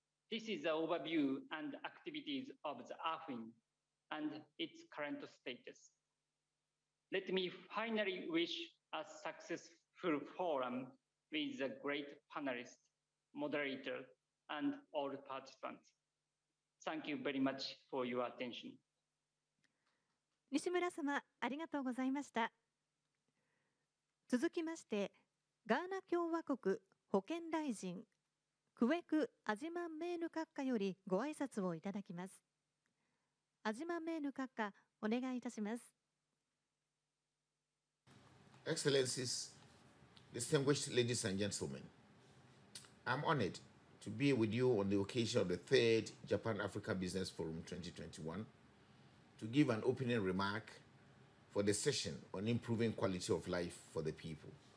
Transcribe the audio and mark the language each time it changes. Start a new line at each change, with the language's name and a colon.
English: This is the overview and activities of the AFIN and its current status. Let me finally wish a successful forum with the great panelists, moderator, and all participants. Thank you very much for your attention.
Japanese: 西村様、ありがとうございました。続きまして、ガーナ共和国保健大臣クウェク・アジマン・メーヌ閣下よりご挨拶をいただきます。アジマン・メーヌ閣下、お願いいたします。
English: Excellencies, distinguished ladies and gentlemen, I'm honored to be with you on the occasion of the third Japan-Africa Business Forum 2021 to give an opening remark for the session on improving quality of life for the people.